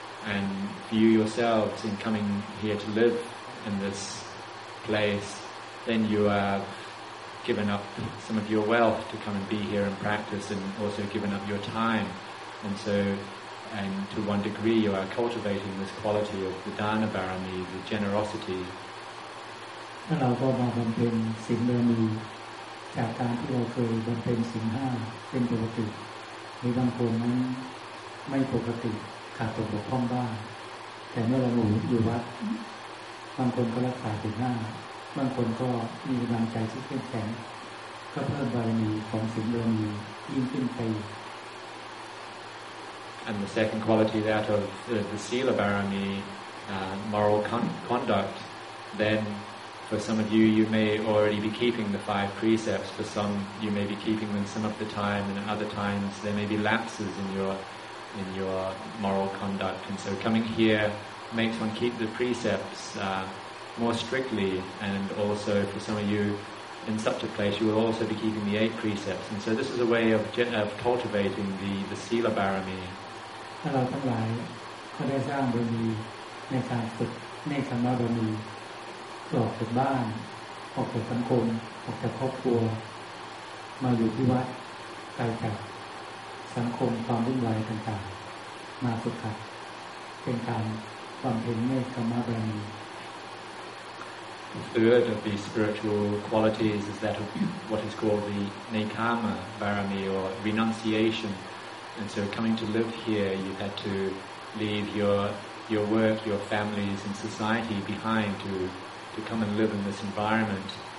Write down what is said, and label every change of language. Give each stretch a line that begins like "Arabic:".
English: And view yourselves in coming here to live in this place, then you have given up some of your wealth to come and be here and practice, and also given up your time. And so. And to one degree, you are cultivating this quality of the Dana Barami, the generosity.
Thai: เราก็มาบำเพ็ญศีลบารมีจากการที่เราเคยบำเพ็ญศีลห้าเป็นปกติมีบางคนนั้นไม่ปกติขาดตัวบกพร่องบ้างแต่เมื่อเราอยู่วัดบางคนก็รักษาศีลห้าบางคนก็มีกำลังใจที่เข้มแข็งก็เพิ่มบารมีของศีลบารมียิ่งขึ้นไป
English: And the second quality, that of the Sila Barami, moral conduct, then for some of you, you may already be keeping the five precepts. For some, you may be keeping them some of the time, and at other times, there may be lapses in your moral conduct. And so coming here makes one keep the precepts more strictly, and also for some of you, in such a place, you will also be keeping the eight precepts. And so this is a way of cultivating the Sila Barami.
Thai: ถ้าเราทั้งหลายก็ได้สร้างบารมีในการฝึกเนคขัมมะบารมีออกจากบ้านออกจากสังคมออกจากครอบครัวมาอยู่ที่วัดไกลจากสังคมความวุ่นวายต่างๆมาฝึกขัดเป็นการบำเพ็ญเนคขัมมะบารมี
English: The third of the spiritual qualities is that of what is called the Nekama Barami or renunciationAnd so coming to live here, you had to leave your work, your families and society behind to come and live in this environment.